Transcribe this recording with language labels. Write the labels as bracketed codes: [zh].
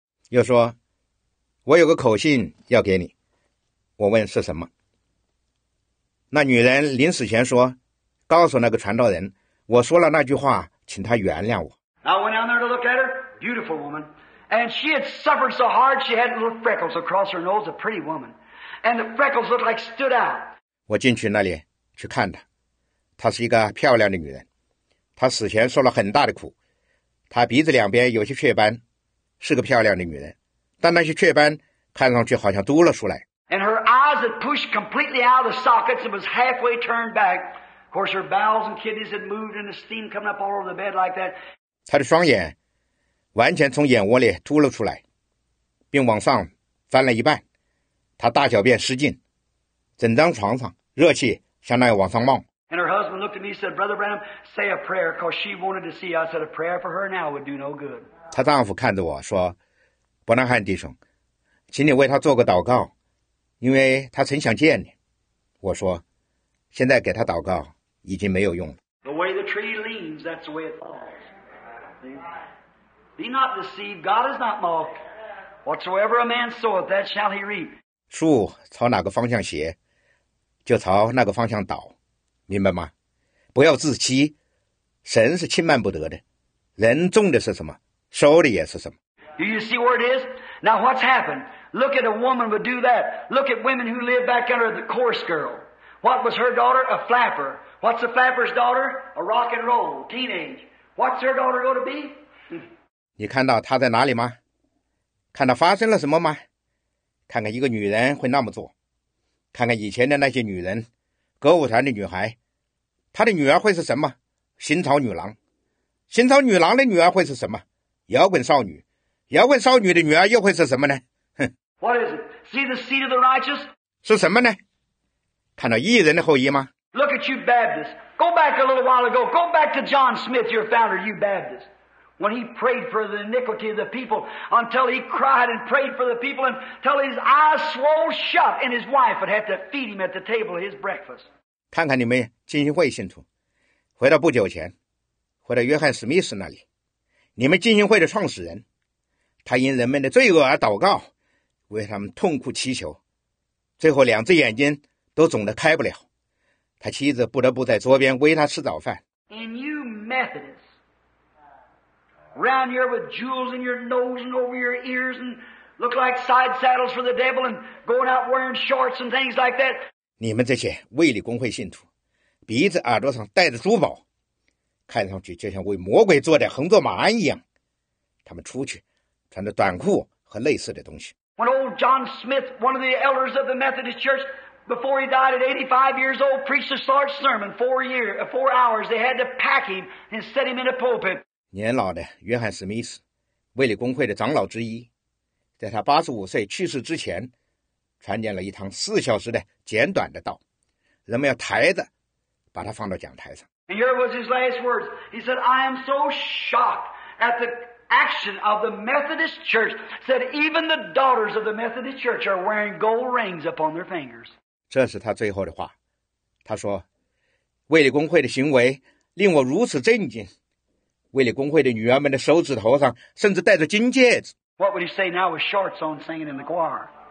[zh] 又说，我有个口信要给你。我问是什么。那女人临死前说，告诉那个传道人，我说了那句话，请他原谅我。 [en] I went down there to look at her, beautiful woman, and she had suffered so hard she had little freckles across her nose, a pretty woman, and the freckles looked like stood out. [zh] 我进去那里去看她，她是一个漂亮的女人，她死前受了很大的苦，她鼻子两边有些雀斑。是个漂亮的女人，但那些雀斑看上去好像嘟了出来。 [en] And her eyes had pushed completely out of the sockets and was halfway turned back. Of course, her bowels and kidneys had moved, and the steam coming up all over the bed like that. [zh] 她的双眼完全从眼窝里嘟了出来，并往上翻了一半。她大小便失禁，整张床上热气向那往上冒。 [en] And her husband looked at me and said, "Brother Branham, say a prayer, because she wanted to see." I said, "A prayer for her now would do no good." [zh] 她丈夫看着我说，伯南汉弟兄，请你为她做个祷告，因为她曾想见你。我说，现在给她祷告已经没有用了。 [en] The way the tree leans, that's the way it falls. Be not deceived, God is not mocked. Whatsoever a man soweth, that shall he reap. [zh] 树朝哪个方向斜，就朝那个方向倒，明白吗？不要自欺，神是轻慢不得的，人种的是什么？收的也是什么。 [en] Do you see where it is? Now what's happened? Look at a woman would do that. Look at women who live back under the chorus girl. What was her daughter? A flapper. What's a flapper's daughter? A rock and roll teenage. What's her daughter going to be? [zh] 你看到她在哪里吗？看到发生了什么吗？看看一个女人会那么做，看看以前的那些女人，歌舞团的女孩，她的女儿会是什么？新潮女郎。新潮女郎的女儿会是什么？摇滚少女。摇滚少女的女儿又会是什么呢？ [en] What is it? See the seed of the righteous? [zh] 是什么呢？看到义人的后裔吗？ [en] Look at you Baptists. Go back a little while ago. Go back to John Smith, your founder, you Baptists. When he prayed for the iniquity of the people until he cried and prayed for the people until his eyes swole shut and his wife would have to feed him at the table of his breakfast. [zh] 看看你们浸信会信徒，回到不久前，回到约翰史密斯那里，你们浸信会的创始人，他因人们的罪恶而祷告，为他们痛苦祈求，最后两只眼睛都肿得开不了，他妻子不得不在桌边喂他吃早饭。 [en] And you Methodists, round here with jewels in your nose and over your ears and look like side saddles for the devil and going out wearing shorts and things like that. [zh] 你们这些卫理公会信徒，鼻子耳朵上戴着珠宝，看上去就像为魔鬼坐在横坐马鞍一样，他们出去穿着短裤和类似的东西。 [en] When old John Smith, one of the elders of the Methodist Church, before he died at 85 years old, preached a short sermon, four hours, they had to pack him and set him in a pulpit. [zh] 年老的约翰·史密斯，卫理公会的长老之一，在他85岁去世之前，传讲了一堂4小时的简短的道，人们要抬着把他放到讲台上。 [en] And here was his last words. He said, I am so shocked at the... action of the Methodist Church said even the daughters of the Methodist Church are wearing gold rings upon their fingers. [zh] 这是他最后的话。他说，卫理公会的行为令我如此震惊。卫理公会的女儿们的手指头上甚至戴着金戒指。 [en] What would he say now with shorts on singing in the choir?